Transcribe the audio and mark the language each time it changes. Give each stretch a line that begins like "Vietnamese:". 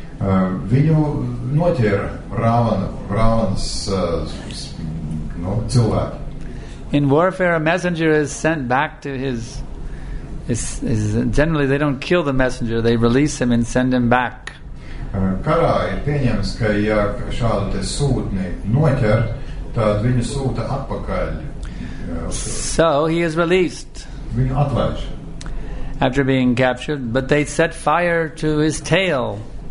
Latvian: Viņu notiera Ravanas cilvēki.
English: In warfare, a messenger is sent back to his generally they don't kill the messenger, they release him and send him back.
Latvian: Karā ir pieņems, ka ja šādu te sūtni noķer, tad viņu sūta atpakaļ.
English: So he is released.
Latvian: Viņu atlaiž.
English: After being captured, but they set fire to his tail.